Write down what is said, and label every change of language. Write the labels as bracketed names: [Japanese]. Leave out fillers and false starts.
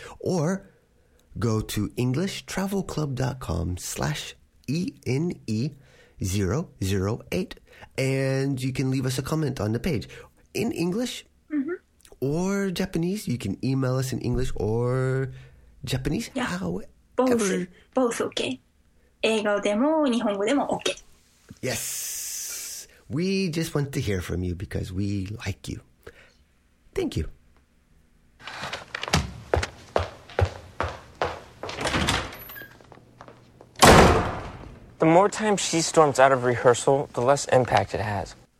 [English] Or go to englishtravelclub.com/ene008 and you can leave us a comment on the page in English or Japanese. You can email us in English or Japanese. Yeah. Both okay. [Japanese] 英語でも日本語でもOK. [English] Yes. We just want to hear from you because we like you. Thank you. The more time she storms out of rehearsal, the less impact it has.